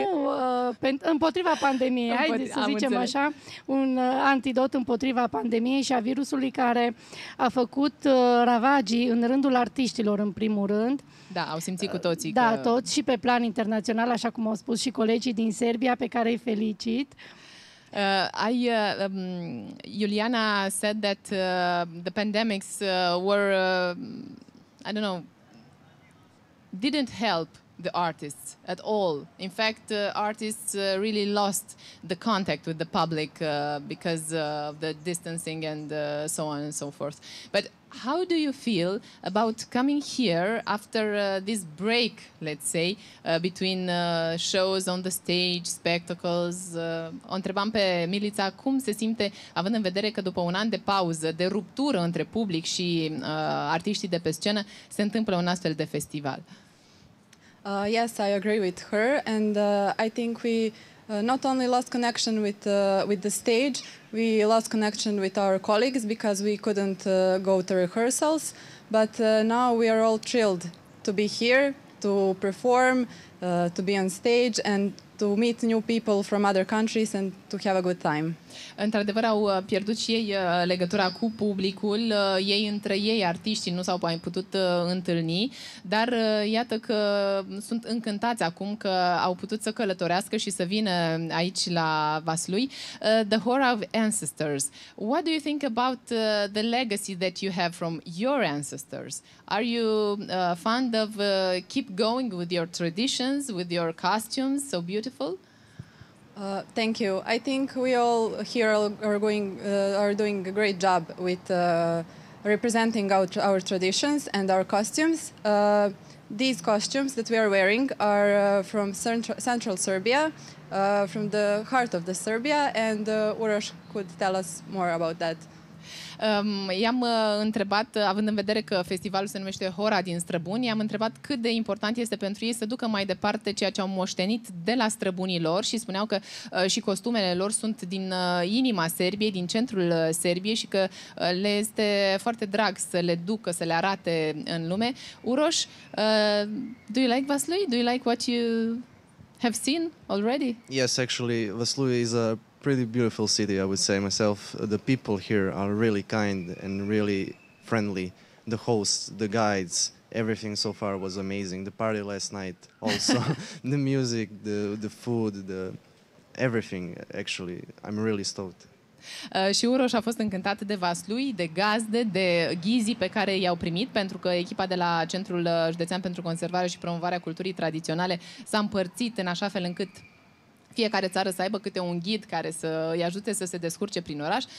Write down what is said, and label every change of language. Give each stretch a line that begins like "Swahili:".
Romanian: Nu, împotriva pandemiei, haideți să zicem înțeleg. Așa, un antidot împotriva pandemiei și a virusului care a făcut ravagii în rândul artiștilor, în primul rând. Da, au simțit cu toții. Da, toți și pe plan internațional, așa cum au spus și colegii din Serbia, pe care îi felicit.
English: Juliana said that the pandemics were, I don't know, didn't help the artists at all. In fact, artists really lost the contact with the public because of the distancing and so on and so forth. But how do you feel about coming here after this break, let's say, between shows on the stage, spectacles?
Romanian: O întrebam pe Milița cum se simte, având în vedere că după un an de pauză, de ruptură între public și artiștii de pe scenă, se întâmplă un astfel de festival.
English: Yes, I agree with her, and I think we not only lost connection with the stage, we lost connection with our colleagues because we couldn't go to rehearsals, but now we are all thrilled to be here, to perform, to be on stage and to meet new people from other countries and to have a good time.
Romanian: Într-adevăr, au pierdut și ei legătura cu publicul. Ei între ei, artiștii, nu s-au mai putut întâlni. Dar iată că sunt încântați acum că au putut să călătorească și să vină aici la Vaslui.
English: The Horror of Ancestors. What do you think about the legacy that you have from your ancestors? Are you fond of keep going with your traditions, with your costumes, so beautiful? Thank you. I think we all here are doing a great job with representing our traditions and our costumes. These costumes that we are wearing are from central Serbia, from the heart of the Serbia, and Uroš could tell us more about that.
Romanian: I-am întrebat, având în vedere că festivalul se numește Hora din Străbuni, i-am întrebat cât de important este pentru ei să ducă mai departe ceea ce au moștenit de la străbunii lor și spuneau că și costumele lor sunt din inima Serbiei, din centrul Serbiei și că le este foarte drag să le ducă, să le arate în lume.
English: Uroš, do you like Vaslui? Do you like what you have seen already? Yes, actually, Vaslui is a pretty beautiful city, I would say myself. The people here are really kind and really friendly. The hosts, the guides, everything so far was amazing. The party last night also, the music, the food, the everything actually. I'm really stoked.
Romanian: Și Uroš a fost încântat de Vaslui, de gazde, de ghizii pe care i-au primit, pentru că echipa de la Centrul Județean pentru Conservare și Promovarea Culturii Tradiționale s-a împărțit în așa fel încât fiecare țară să aibă câte un ghid care să îi ajute să se descurce prin oraș.